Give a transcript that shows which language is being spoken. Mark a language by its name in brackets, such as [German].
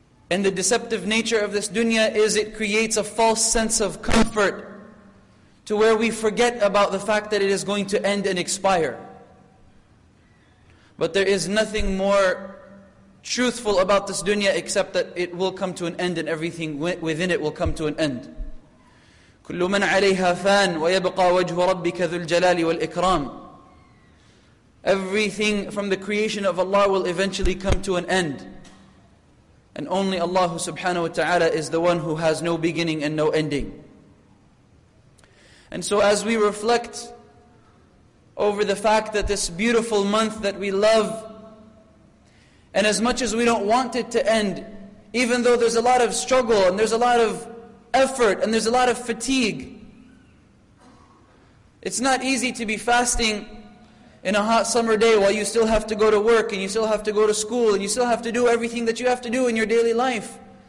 [English] And the deceptive nature of this dunya is it creates a false sense of comfort to where we forget about the fact that it is going to end and expire. But there is nothing more truthful about this dunya except that it will come to an end and everything within it will come to an end. [Arabic] كل من عليها فان ويبقى وجه ربك ذو الجلال والإكرام. [English] Everything from the creation of Allah will eventually come to an end. And only Allah subhanahu wa ta'ala is the one who has no beginning and no ending. And so as we reflect over the fact that this beautiful month that we love, and as much as we don't want it to end, even though there's a lot of struggle and there's a lot of effort and there's a lot of fatigue, it's not easy to be fasting in a hot summer day while you still have to go to work and you still have to go to school and you still have to do everything that you have to do in your daily life.